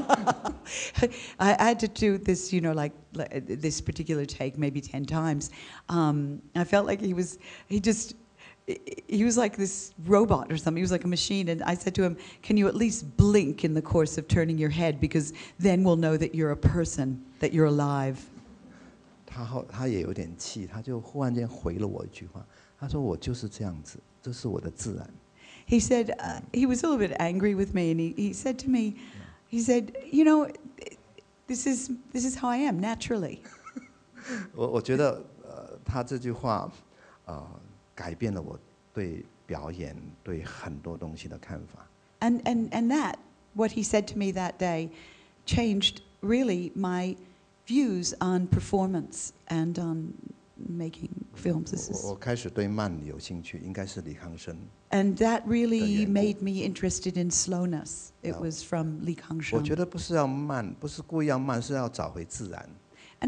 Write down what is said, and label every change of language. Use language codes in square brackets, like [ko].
[en] had to do this, you know, like this particular take maybe 10 times. I felt like he was like this robot or something. He was like a machine. And I said to him, can you at least blink in the course of turning your head? Because then we'll know that you're a person, that you're alive. [zh] 他也有点气，他就忽然间回了我一句话。他说我就是这样子，这是我的自然。 [en] He said, he was a little bit angry with me. And he said to me, he said, you know, this is how I am, naturally. [zh] 我觉得他这句话 改变了我对表演对很多东西的看法。And [en] that what he said to me that day changed really my views on performance and on making films. [zh] 我开始对慢有兴趣，应该是李康生。And [en] that really made me interested in slowness. It was from [zh] 李康生。我觉得不是要慢，不是故意要慢，是要找回自然，and